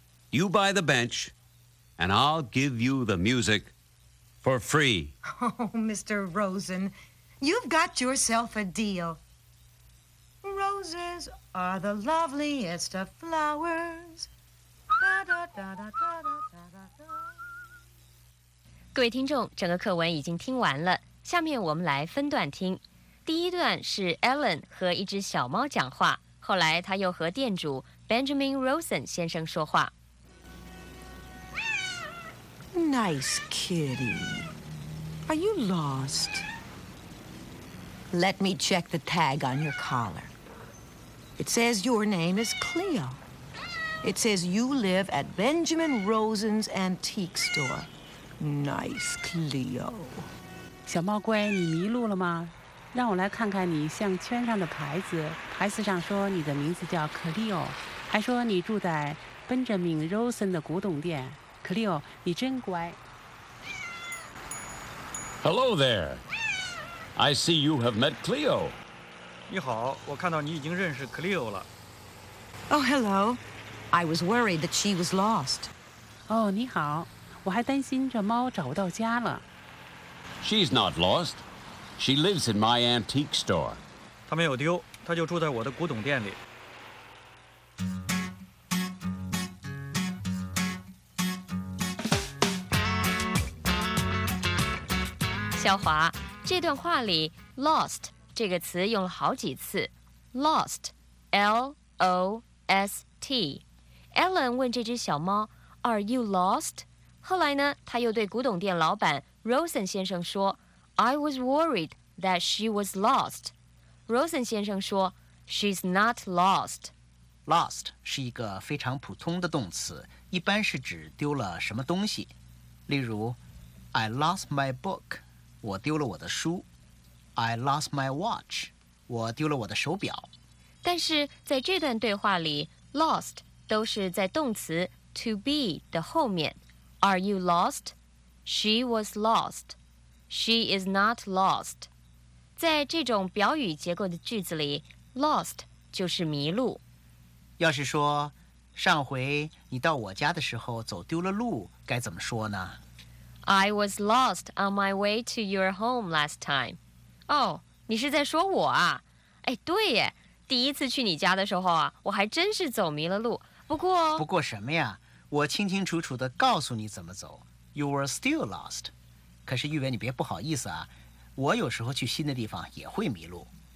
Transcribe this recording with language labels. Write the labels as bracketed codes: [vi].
[en] You buy the bench, and I'll give you the music for free. Oh, Mr. Rosen, you've got yourself a deal. Roses are the loveliest of flowers. Da, da, da, da, da, da, da, da. [zh] 各位听众，整个课文已经听完了，下面我们来分段听。第一段是 Ellen 和一只小猫讲话，后来他又和店主 Benjamin Rosen 先生说话。 [en] Nice kitty. Are you lost? Let me check the tag on your collar. It says your name is Cleo. It says you live at Benjamin Rosen's antique store. Nice Cleo. [zh] 小猫乖，你迷路了吗？让我来看看你项圈上的牌子，牌子上说你的名字叫 Cleo， 还说你住在 Benjamin Rosen 的古董店。 Cleo， 你真乖。 [en] Hello there. I see you have met Cleo. [zh] 你好，我看到你已经认识 Cleo 了。 [en] Oh, hello. I was worried that she was lost. [zh] 哦、oh, ，你好，我还担心这猫找不到家了。 [en] She's not lost. She lives in my antique store. [zh] 她没有丢，她就住在我的古董店里。小华，这段话里 lost 这个词用了好几次。 [en] Lost, L-O-S-T. [zh] Ellen 问这只小猫 , [en] Are you lost? [zh] 后来呢，她又对古董店老板 Rosen 先生说 , [en] I was worried. [zh] That she was lost. Rosen 先生说 [en] She's not lost. [zh] Lost 是一个非常普通的动词，一般是指丢了什么东西。例如 [en] I lost my book. [zh] 我丢了我的书。 [en] I lost my watch. [zh] 我丢了我的手表。但是在这段对话里 Lost 都是在动词 To be 的后面。 [en] Are you lost? She was lost. She is not lost. [zh] 在这种表语结构的句子里 ,lost 就是迷路。要是说上回你到我家的时候走丢了路该怎么说呢 [en] ?I was lost on my way to your home last time. [zh] 哦、oh, 你是在说我啊哎对耶第一次去你家的时候啊我还真是走迷了路。不过什么呀我清清楚楚地告诉你怎么走。 [en] You were still lost. [zh] 可是玉伟你别不好意思啊。我有时候去新的地方也会迷路。